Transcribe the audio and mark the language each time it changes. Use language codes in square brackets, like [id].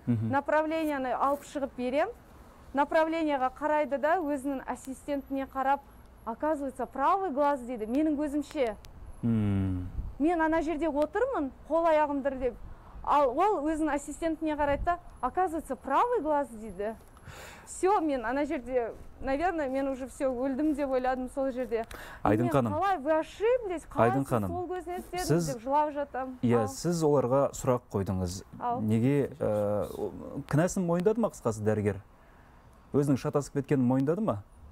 [kk] Направлениені алып шығып берем, направлениеға қарайды да, өзінің ассистентіне қарап, [ru] оказывается, правый глаз [kk] дейді, менің көзімше. Мен ана жерде отырмын, қол аяғым дірілдеп. Ал ол өзінің ассистентіне қарайды да, [ru] оказывается, правый глаз [kk] дейді. [ru] Все, [kk] мен ана жерде, [ru] наверное, [kk] мен [ru] уже все [kk] өлдім деп ойладым сол жерде. Айдын ханым. Қалай, [ru] вы ошиблись, [kk] қалай сол көзіне істедім деп жылап жатам. Иә, сіз оларға сұрақ қойдыңыз. Неге, кінәсін мойындады ма қысқасы дәрігер? Өзінің шатасып кеткенін мойындады ма?